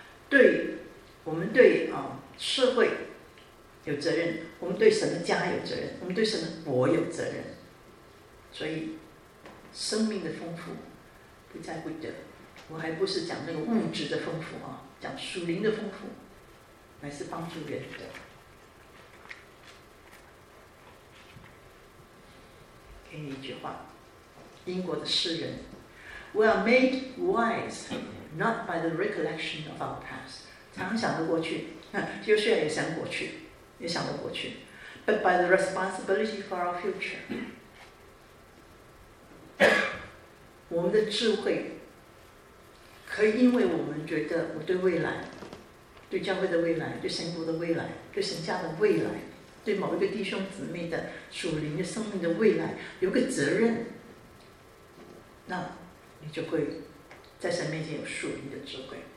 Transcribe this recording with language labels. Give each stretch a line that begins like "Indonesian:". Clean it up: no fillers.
Chinese: 对，我们对社会有责任，我们对神的家有责任，我们对神的国有责任。所以生命的丰富不在乎得，我还不是讲那个物质的丰富啊，讲属灵的丰富，乃是帮助人的。给你一句话，英国的诗人
English: We are made wise not by the recollection of our past，
Chinese: 常想着过去，就是也想过去，也想着过去，
English: but by the responsibility for our future。
Chinese: 我们的智慧可以因为我们觉得我对未来，对教会的未来，对神国的未来，对神家的未来，对某一个弟兄姊妹的属灵的生命的未来有个责任，那你就会在神面前有属灵的智慧。